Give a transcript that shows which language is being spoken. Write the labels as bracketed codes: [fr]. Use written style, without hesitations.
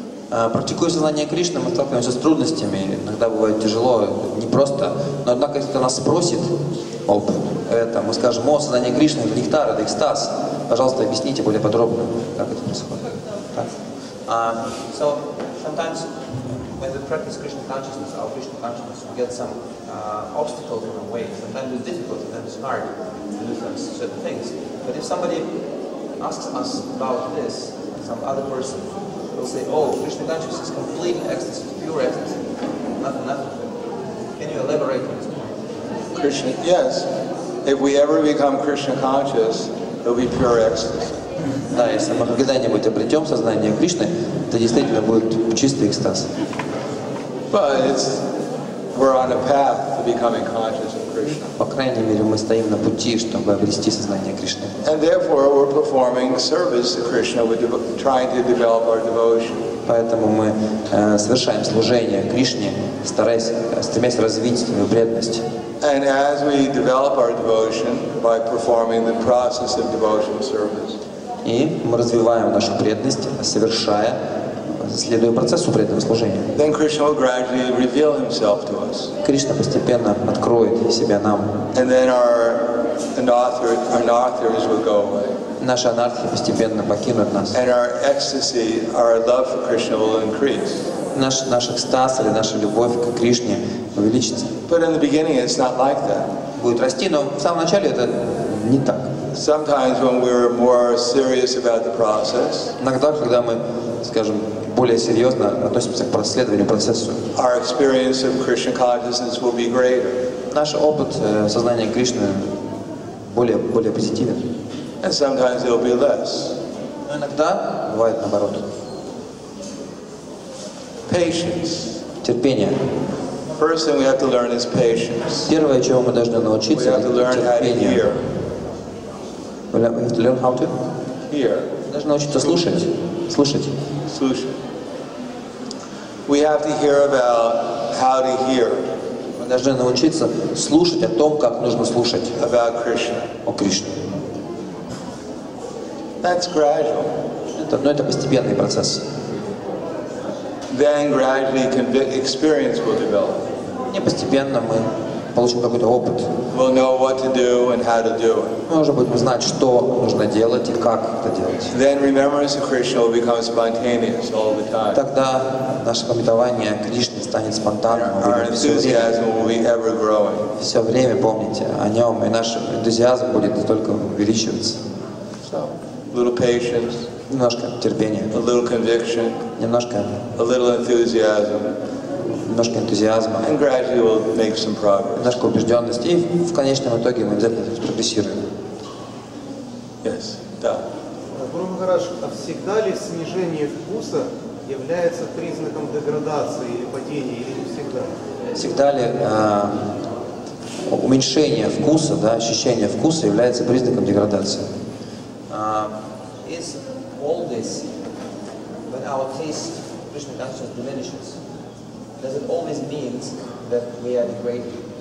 [ru] Практикуя сознание Кришны, мы сталкиваемся с трудностями. Иногда бывает тяжело, непросто. Но однако, если кто нас спросит об этом, мы скажем, о, сознание Кришны — это нектар, это экстаз. Пожалуйста, объясните более подробно, как это происходит. Так. [en] So, sometimes, when we practice Krishna consciousness, our Krishna consciousness, we get some obstacles in our way. Sometimes it's difficult, sometimes it's hard to do some certain things. But if somebody asks us about this, some other person, will say, oh, Krishna consciousness is complete ecstasy, pure ecstasy, nothing. Can you elaborate on this point? Krishna, yes. If we ever become Krishna conscious, it will be pure ecstasy. [ru] Да, если мы когда-нибудь обретем сознание Кришны, это действительно будет чистый экстаз. [en] But it's, we're on a path to becoming conscious of Krishna. [ru] По крайней мере, мы стоим на пути, чтобы обрести сознание Кришны. [en] And therefore, we're performing service to Krishna, trying to develop our devotion. [ru] Поэтому мы совершаем служение Кришне, стремясь развить свою преданность. [en] And as we develop our devotion by performing the process of devotional service. [ru] И мы развиваем нашу преданность, совершая, следуя процессу преданного служения. [en] Then Krishna will gradually reveal himself to us. [ru] Кришна постепенно откроет себя нам. [en] And then our anarthas will go away. [ru] Наши анархи постепенно покинут нас. [en] And our ecstasy, our love for Krishna will increase. [ru] Наш экстаз или наша любовь к Кришне увеличится. [en] But in the beginning it's not like that. [ru] Будет расти, но в самом начале это не так. [en] Sometimes when we're more serious about the process. [ru] Иногда, когда мы, скажем, более серьезно относимся к проследованию процессу. [en] Our experience of Krishna consciousness will be greater. [ru] Наш опыт сознания Кришны более позитивен. [en] And sometimes it'll be less. [ru] Иногда бывает наоборот. [en] Patience. [ru] Терпение. [en] First thing we have to learn is patience. [ru] Первое, чему мы должны научиться, это терпение. [en] We have to learn how to hear. [ru] Нужно научиться слушать. Слушать. Слушать. [en] We have to hear about how to hear. [ru] Мы должны научиться слушать о том, как нужно слушать. [en] About Krishna. [ru] О Кришне. [en] That's gradual. [ru] Это постепенный процесс. [en] Then gradually experience will develop. [ru] И постепенно мы получим какой-то опыт. [en] We'll know what to do and how to do it. [ru] Может быть, мы знать, что нужно делать и как это делать. [en] Then remembrance of Krishna will become spontaneous all the time. [ru] Тогда наше памятование о Кришне станет спонтанным. [en] Our enthusiasm will be ever growing. [ru] Все время помните о нем, и наш энтузиазм будет только увеличиваться. [en] So, little patience. [ru] Немножко терпения. [en] A little conviction. [ru] Немножко. [en] A little enthusiasm. [ru] Немножко энтузиазма. [en] And gradually we'll make some progress. [ru] Немножко убежденности. И в конечном итоге мы обязательно прогрессируем. [en] Yes. [ru] Да. Гуру-махарадж, а всегда ли снижение вкуса является признаком деградации или падения, или не всегда? Всегда ли уменьшение вкуса, да, ощущение вкуса является признаком деградации? [en] Is all this, when our taste, Krishna consciousness diminishes, does it always mean that we are degraded?